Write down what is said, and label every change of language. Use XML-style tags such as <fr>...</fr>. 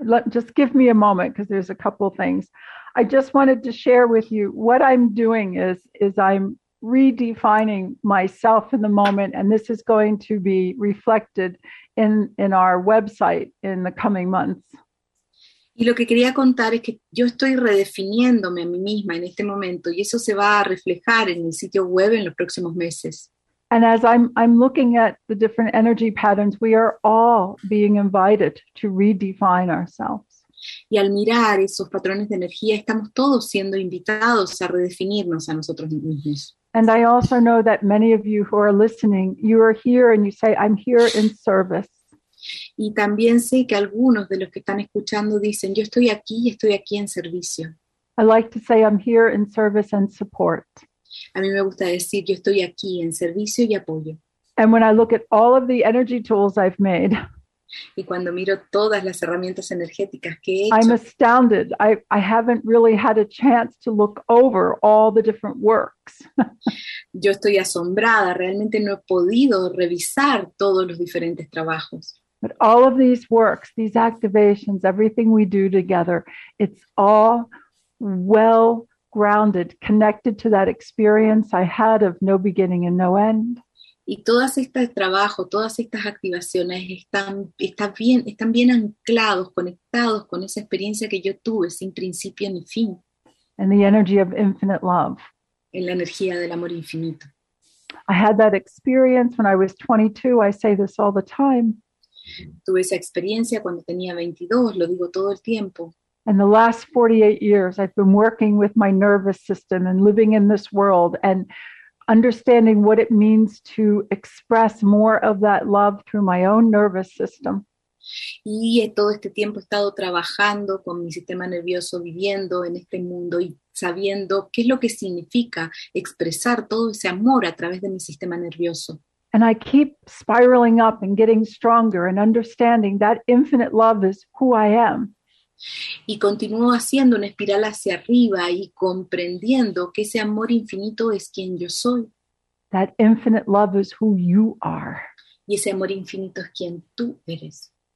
<en>Just give me a moment because there's a couple things. I just wanted to share with you what I'm doing is I'm redefining myself in the moment, and this is going to be reflected in our website in the coming months.</en> <es>Y lo que quería contar es que yo estoy redefiniéndome a mí misma en este momento, y eso se va a reflejar en el sitio web en los próximos meses.</es> <en>And as I'm looking at the different energy patterns, we are all being invited to redefine ourselves.</en> <es>Y al mirar esos patrones de energía, estamos todos siendo invitados a redefinirnos a nosotros mismos.</es> <en>And I also know that many of you who are listening, you are here and you say, I'm here in service.</en> <es>Y también sé que algunos de los que están escuchando dicen, yo estoy aquí en servicio.</es> <en>I like to say, I'm here in service and support.</en> <es>A mí me gusta decir, yo estoy aquí en servicio y apoyo.</es> <en>And when I look at all of the energy tools I've made,</en> <es>y cuando miro todas las herramientas energéticas que he hecho,</es> <en>I'm astounded. I haven't really had a chance to look over all the different works.</en> <es>Yo estoy asombrada. Realmente no he podido revisar todos los diferentes trabajos.</es> <en>But all of these works, these activations, everything we do together, it's all well grounded, connected to that experience I had of no beginning and no end.</en> <es>Y todas estas trabajos, todas estas activaciones están bien anclados, conectados con esa experiencia que yo tuve sin principio ni fin.</es> <en>And the energy of infinite love.</en> <es>En la energía del amor infinito.</es> <en>I had that experience when I was 22. I say this all the time.</en> <es>Tuve esa experiencia cuando tenía 22. Lo digo todo el tiempo.</es> <en>And the last 48 years, I've been working with my nervous system and living in this world and understanding what it means to express more of that love through my own nervous system.</en> <es>Y todo este tiempo he estado trabajando con mi sistema nervioso, viviendo en este mundo y sabiendo qué es lo que significa expresar todo ese amor a través de mi sistema nervioso.</es> <en>And I keep spiraling up and getting stronger and understanding that infinite love is who I am.</en> <es>Y continúo haciendo una espiral hacia arriba y comprendiendo que ese amor infinito es quien yo soy.</es> <en>That infinite love is who you are.</en> <es>Y ese amor infinito es quien tú eres.</es>